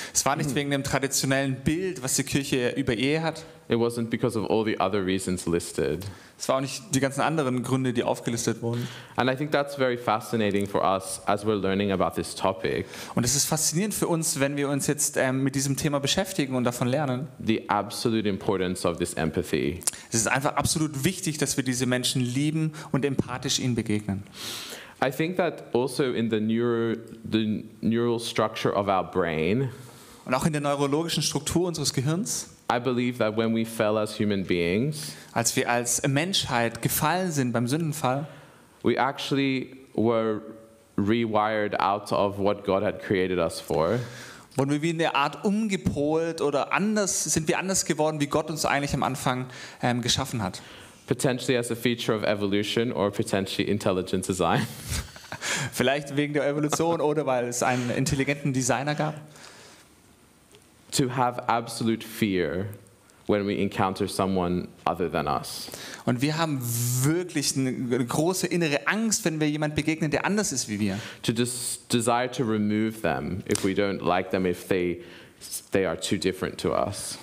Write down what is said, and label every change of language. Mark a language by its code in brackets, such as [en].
[de] Es war nicht wegen dem traditionellen Bild, was die Kirche über Ehe hat. [en] It wasn't because of all the other reasons listed. [de] Es war auch nicht die ganzen anderen Gründe, die aufgelistet wurden. [en] And I think that's very fascinating for us as we're learning about this topic. [de] Und es ist faszinierend für uns, wenn wir uns jetzt mit diesem Thema beschäftigen und davon lernen. [en] The absolute importance of this empathy. [de] Es ist einfach absolut wichtig, dass wir diese Menschen lieben und empathisch ihnen begegnen. [en] I think that also in the neural structure of our brain. [de] Und auch in der neurologischen Struktur unseres Gehirns. [en] I believe that when we fell as human beings, [de] als wir als Menschheit gefallen sind beim Sündenfall, [en] we actually were rewired out of what God had created us for. [de] Wurden wir wie eine Art umgepolt oder anders, sind wir anders geworden, wie Gott uns eigentlich am Anfang geschaffen hat? [en] Potentially as a feature of evolution or potentially intelligent design. [de] Vielleicht wegen der Evolution oder weil es einen intelligenten Designer gab. [en] To have absolute fear when we encounter someone other than us. [de] Und wir haben wirklich eine große innere Angst, wenn wir jemand begegnen, der anders ist wie wir. [en] To desire to remove them if we don't like them, if they are too different to us.